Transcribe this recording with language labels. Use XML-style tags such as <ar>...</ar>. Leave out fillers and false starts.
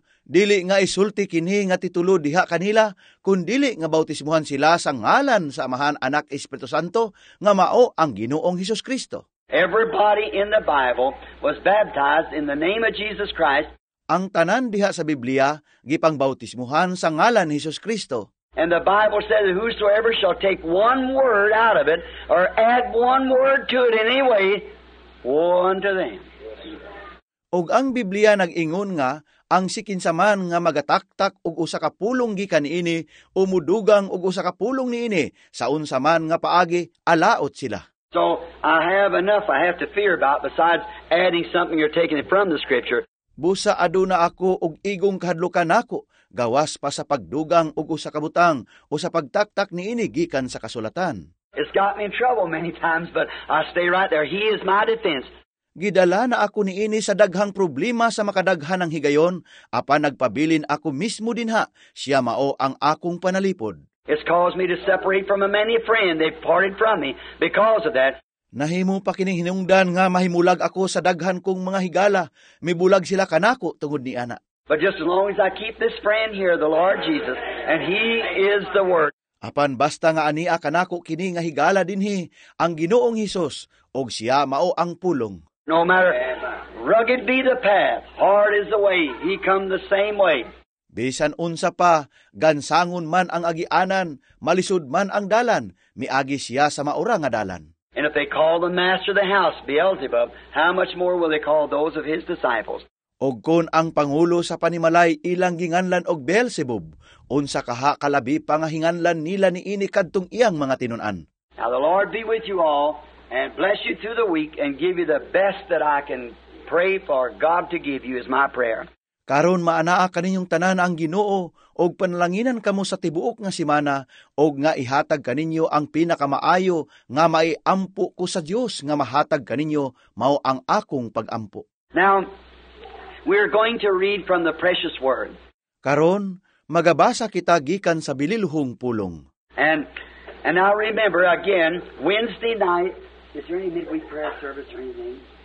<ceb>Dili nga isulti kini nga titulo diha kanila kun dili nga bautismuhan sila sa ngalan sa Amahan, Anak, Espiritu Santo nga mao ang Ginoong Hesus Kristo.</ceb> <en>Everybody in the Bible was baptized in the name of Jesus Christ.</en> <ceb>Ang tanan diha sa Biblia, gipang bautismuhan sa ngalan ni Jesus Kristo.</ceb> <en>And the Bible says that whosoever shall take one word out of it, or add one word to it in any way, woe unto them.</en> <ceb>Og ang Biblia nag-ingon nga, ang sikinsaman nga magataktak og usa ka pulong gikan ini, o mudugang og usa ka pulong niini, sa unsaman nga paagi, alaot sila.</ceb> <en>So, I have enough I have to fear about besides adding something or taking it from the Scripture.</en> <ceb>Busa aduna ako og igong kahadlukan nako, gawas pa sa pagdugang og usa ka butang o sa pagtaktak niini gikan sa kasulatan.</ceb> <en>It's got me in trouble many times, but I stay right there. He is my defense.</en> <ceb>Gidala na ako niini sa daghang problema sa makadaghan ng higayon, apa nagpabilin ako mismo din ha, siya mao ang akong panalipod.</ceb> <en>It's caused me to separate from a many friend. They've parted from me because of that.</en> <ceb>Nahimo pa kining hinungdan nga mahimulag ako sa daghan kong mga higala. Mibulag sila kanako tungod ni ana.</ceb> <en>But just as long as I keep this friend here, the Lord Jesus, and He is the Word.</en> <ceb>Apan basta nga ania kanako kini nga higala dinhi ang Ginoong Hesus, og siya mao ang pulong.</ceb> <en>No matter Rugged be the path, hard is the way, he come the same way.</en> <ceb>Bisan unsa pa, gansangon man ang agianan, malisud man ang dalan, miagi siya sa maura nga dalan.</ceb> <en>And if they call the master of the house Beelzebub, how much more will they call those of his disciples?</en> <ceb>Og kun ang pangulo sa panimalay ilang ginganlan og Beelzebub, unsa kaha kalabi pangahinganlan nila ni ini kadtong iyang mga tinunan.</ceb> <en>Now the Lord be with you all and bless you through the week and give you the best that I can pray for God to give you is my prayer.</en> <ceb>Karon maanaa kaninyong tanan ang Ginoo og panalanginan kamo sa tibuok nga semana og nga ihatag kaninyo ang pinakamaayo nga maiampo ko sa Dios nga mahatag kaninyo mao ang akong pagampo.</ceb> <en>Now we are going to read from the precious word.</en> <ceb>Karon magabasa kita gikan sa bililhong pulong.</ceb> <en>And I remember again Wednesday night, is there any midweek prayer service or anything?</en>